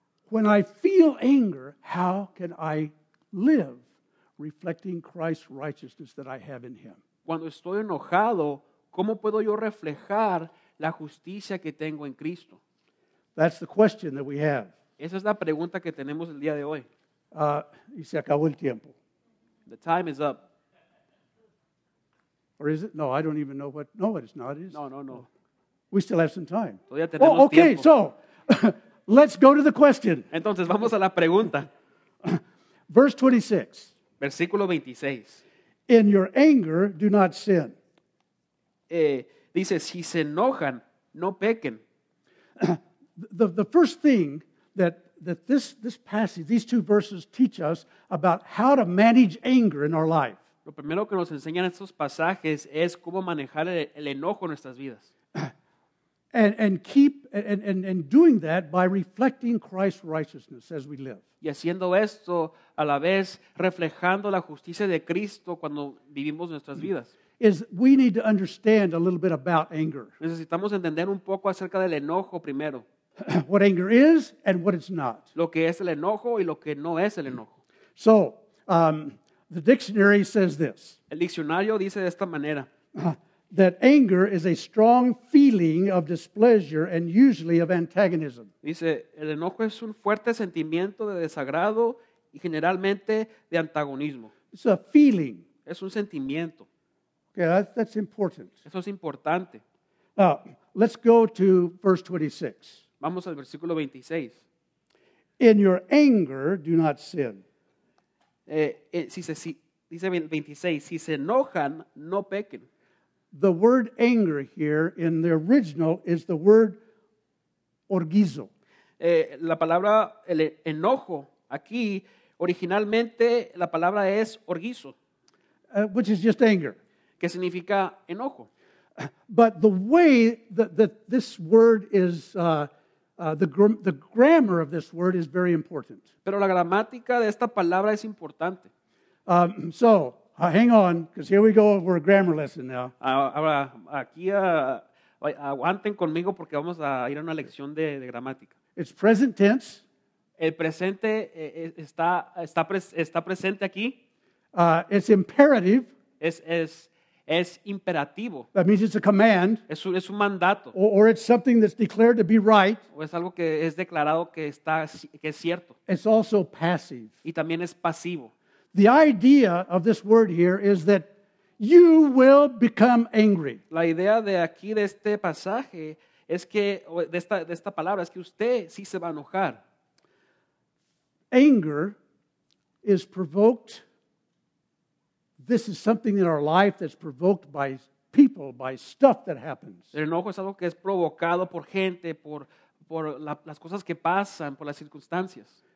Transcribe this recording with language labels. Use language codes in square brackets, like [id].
[en] when I feel anger, how can I live reflecting Christ's righteousness that I have in Him? [es] Cuando estoy enojado, ¿cómo puedo yo reflejar la justicia que tengo en Cristo? [en] That's the question that we have. [es] Esa es la pregunta que tenemos el día de hoy. Y se acabó el tiempo. [en] The time is up. Or is it? No, I don't even know what. No, it's not. It is. No. We still have some time. [es] Todavía tenemos tiempo. [en] Oh, okay, [es] tiempo. [en] So... Let's go to the question. [es] Entonces, vamos a la pregunta. [en] Verse 26. [es] Versículo 26. [en] In your anger, do not sin. [es] Dice, si se enojan, no pequen. [en] The first thing that this passage, these two verses teach us about how to manage anger in our life. [es] Lo primero que nos enseñan estos pasajes es cómo manejar el enojo en nuestras vidas. [en] And doing that by reflecting Christ's righteousness as we live. [es] Y haciendo esto a la vez reflejando la justicia de Cristo cuando vivimos nuestras vidas. [en] Is we need to understand a little bit about anger. [es] Necesitamos entender un poco acerca del enojo primero. [en] What anger is and what it's not. [es] Lo que es el enojo y lo que no es el enojo. [en] So, the dictionary says this. [es] El diccionario dice de esta manera. [en] That anger is a strong feeling of displeasure and usually of antagonism. [es] Dice, el enojo es un fuerte sentimiento de desagrado y generalmente de antagonismo. [en] It's a feeling. [es] Es un sentimiento. [en] Okay, that's important. [es] Eso es importante. [en] Now, let's go to verse 26. [es] Vamos al versículo 26. [en] In your anger, do not sin. [es] Dice 26, si se enojan, no pequen. [en] The word anger here in the original is the word orgizo. [es] La palabra el enojo aquí, originalmente la palabra es orgizo. [en] Which is just anger. [es] Que significa enojo. [en] But the way that this word is, the grammar of this word is very important. [es] Pero la gramática de esta palabra es importante. [en] Hang on, because here we go, we're a grammar lesson now. [es] Ahora, aquí, aguanten conmigo porque vamos a ir a una lección de gramática. [en] It's present tense. [es] El presente está presente aquí. [en] It's imperative. [es] Es es imperativo. [en] That means it's a command. [es] Es un mandato. [en] Or it's something that's declared to be right. [es] O es algo que es declarado que está, que es cierto. [en] It's also passive. [es] Y también es pasivo. [en] The idea of this word here is that you will become angry. [es] La idea de aquí de este pasaje es que de esta palabra es que usted sí se va a enojar. [en] Anger is provoked. This is something in our life that's provoked by people, by stuff that happens. [es] El enojo es algo que es provocado por gente, por las cosas que pasan, por las circunstancias.